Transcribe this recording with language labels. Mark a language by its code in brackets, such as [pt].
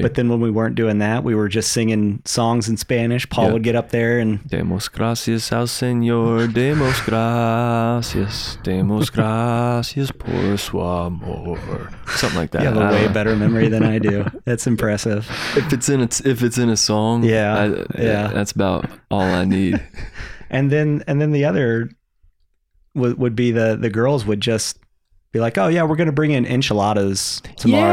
[en] But then when we weren't doing that, we were just singing songs in Spanish. Paul would get up there and... [es] Demos gracias al Señor, demos gracias, demos gracias por su amor. [en] Something like that. You have a way better memory than I do. That's impressive. If it's in a song, that's about all I need. And then the other would be the girls would just... be like, oh yeah, we're going to bring in enchiladas tomorrow.